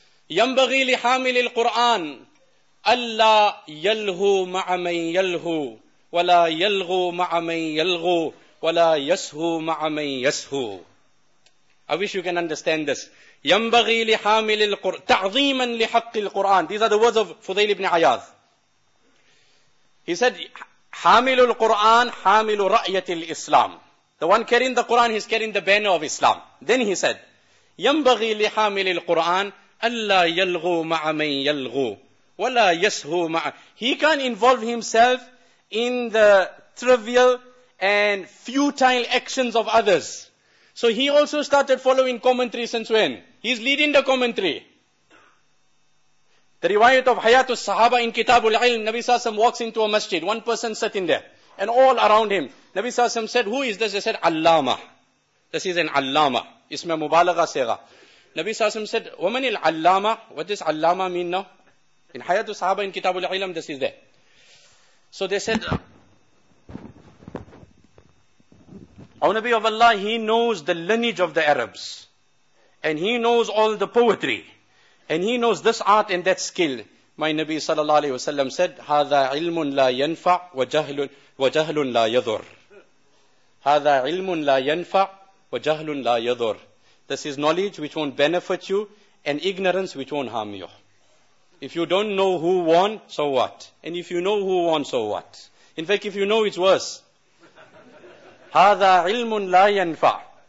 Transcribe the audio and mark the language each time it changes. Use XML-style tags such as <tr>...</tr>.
<ar>يَنْبَغِي لِحَامِلِ الْقُرْآنِ أَلَّا يَلْهُ مَعَ مَنْ يَلْهُ وَلَا يَلْغُ مَعَ مَنْ يَلْغُ وَلَا يَسْهُ مَعَ مَنْ يَسْهُ.</ar> <en>I wish you can understand this.</en> <ar>يَنْبَغِي لِحَامِلِ الْقُرْآنِ تَعْظِيمًا لِحَقِّ الْقُرْآنِ.</ar> <en>These are the words of Fudayl ibn Ayyad. He said,</en> <ar>حَامِلُ الْقُرْآنِ حَامِلُ رَأْيَةِ الْإِسْلَامِ.</ar> <en>The one carrying the Quran, he's carrying the banner of Islam. Then he said,</en> <ar>يَنْبَغِي لِحَامِلِ الْقُرْآنِ أَلَّا يَلْغُوا مَعَ مَنْ يَلْغُوا وَلَا يَسْهُوا مَعَ.</ar> <en>He can't involve himself in the trivial and futile actions of others. So he also started following commentary since when? He's leading the commentary. The riwayat of Hayat al-Sahaba in Kitab al-Ilm, Nabi Sallallahu Alaihi Wasallam walks into a masjid, one person sitting there. And all around him, Nabi Sallallahu Alaihi Wasallam said, who is this? They said, Allama. This is an Allama. Isma Mubalagha Sega. Nabi Sallallahu Alaihi Wasallam said, woman il Allama. What does Allama mean now? In Hayatu Sahaba, in Kitabul Ilam, this is there. So they said, O Nabi of Allah, he knows the lineage of the Arabs. And he knows all the poetry. And he knows this art and that skill. My Nabi Sallallahu Alaihi Wasallam said,</en> <ar>هَذَا عِلْمٌ لَا يَنْفَعْ وَجَهْلٌ وَجَهْلٌ لَا يَذُرْ. هَذَا عِلْمٌ لَا يَنْفَعْ وَجَهْلٌ لَا يَذُرْ.</ar> <en>This is knowledge which won't benefit you and ignorance which won't harm you. If you don't know who won, so what? And if you know who won, so what? In fact, if you know, it's worse.</en> <ar>هَذَا عِلْمٌ لَا يَنْفَعْ.</ar>